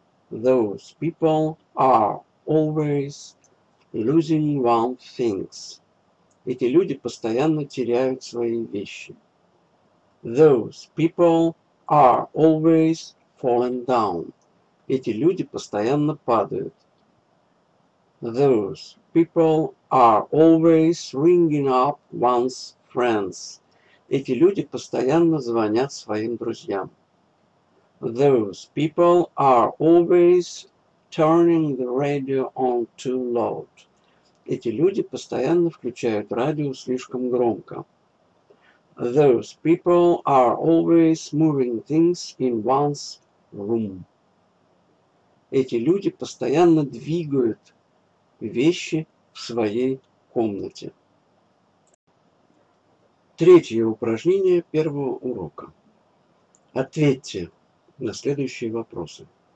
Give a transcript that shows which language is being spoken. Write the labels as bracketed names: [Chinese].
[English] Those people are always losing one's things. [Russian] Эти люди постоянно теряют свои вещи. [English] Those people are always falling down. [Russian] Эти люди постоянно падают. [English] Those people are always ringing up one's friends. [Russian] Эти люди постоянно звонят своим друзьям. [English] Those people are always turning the radio on too loud. [Russian] Эти люди постоянно включают радио слишком громко. [English] Those people are always moving things in one's room. [Russian] Эти люди постоянно двигают вещи в своей комнате. Третье упражнение первого урока. Ответьте на следующие вопросы.